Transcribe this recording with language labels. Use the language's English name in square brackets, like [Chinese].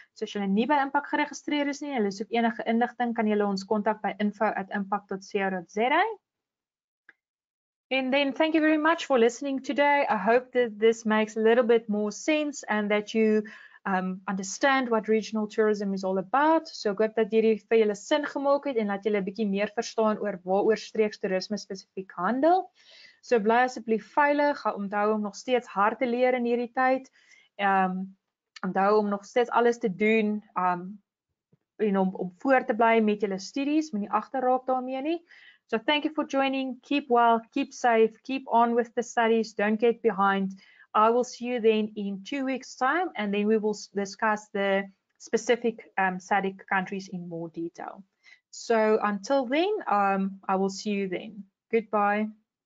[English] So as you're not by [Afrikaans] IMPACT geregistreer is nie, hulle soek enige inligting, kan julle ons kontak by info@impact.co.za. [English] And then thank you very much for listening today. I hope that this makes a little bit more sense and that you understand what regional tourism is all about. [Afrikaans] So ek hoop dat hierdie vir julle sin gemaak het en dat julle 'n bietjie meer verstaan oor waaroor streekstoerisme spesifiek handel. So bly asseblief veilig, gaan onthou om nog steeds hard te leer in hierdie tyd. Onthou om nog steeds alles te doen en om voor te bly met julle studies, moenie agterraak daarmee nie. [English] So thank you for joining. Keep well, keep safe, keep on with the studies. Don't get behind. I will see you then in 2 weeks' time, and then we will discuss the specific SADC countries in more detail. So until then, I will see you then. Goodbye.